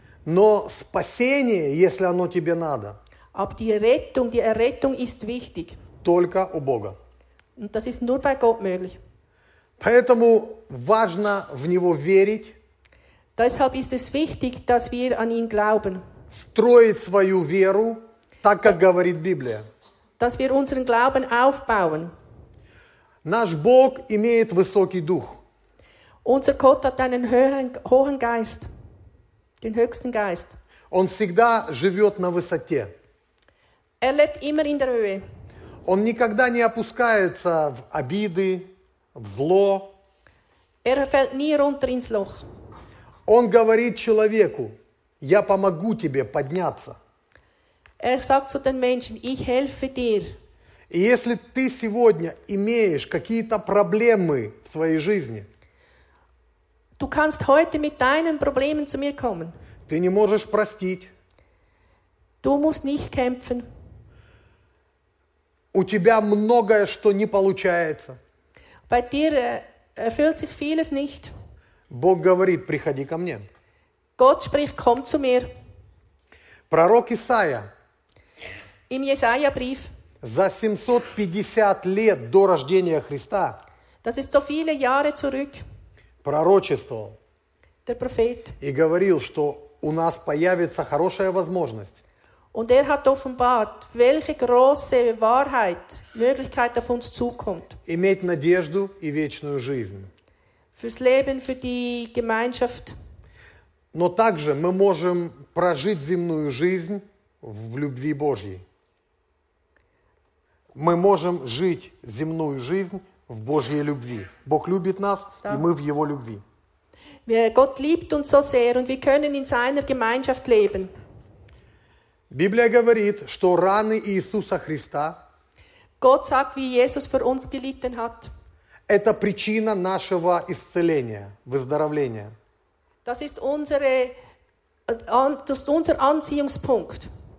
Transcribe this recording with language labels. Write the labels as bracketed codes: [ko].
[ru] Но спасение, если оно тебе надо. [de] Aber die Errettung ist wichtig. [ru] Только у Бога. [de] Und das ist nur bei Gott möglich. [ru] Поэтому важно в него верить. [de] Deshalb ist es wichtig, dass wir an ihn glauben. [ru] Строить свою веру, так как говорит Библия. [de] Dass wir unseren Glauben aufbauen. [ru] Наш Бог имеет высокий дух. [de] Unser Gott hat einen hohen Geist, den höchsten Geist. [ru] Он всегда живет на высоте. [de] Er lebt immer in der Höhe. [ru] Он никогда не опускается в обиды, в зло. [de] Er fällt nie runter ins Loch. [ru] Он говорит человеку, я помогу тебе подняться. [de] Er sagt zu den Menschen, ich helfe dir. [ru] И если ты сегодня имеешь какие-то проблемы в своей жизни, [de] du kannst heute mit deinen Problemen zu mir kommen. [ru] Ты не можешь простить. [de] Du musst nicht kämpfen. [ru] У тебя многое, что не получается. [de] Bei dir erfüllt sich vieles nicht. [ru] Бог говорит, приходи ко мне. [de] Gott spricht, komm zu mir. [ru] Пророк Исаия. [de] Im Jesaja-Brief. [ru] За 750 лет до рождения Христа. [de] Das ist so viele Jahre zurück. [ru] Пророчествовал. [de] Der Prophet. [ru] И говорил, что у нас появится хорошая возможность. [de] Und er hat offenbart, welche große Wahrheit, Möglichkeit auf uns zukommt. [ru] Иметь надежду и вечную жизнь. [de] Fürs Leben, für die Gemeinschaft. [ru] Но также мы можем прожить земную жизнь в любви Божьей. Мы можем жить земную жизнь в Божьей любви. Бог любит нас, да. И мы в Его любви. [de] Gott liebt uns so sehr, und wir können in seiner Gemeinschaft leben. [ru] Библия говорит, что раны Иисуса Христа [de] Gott sagt, wie Jesus für uns gelitten hat. [ru] Это причина нашего исцеления, выздоровления. [de] Das ist unser Anziehungspunkt.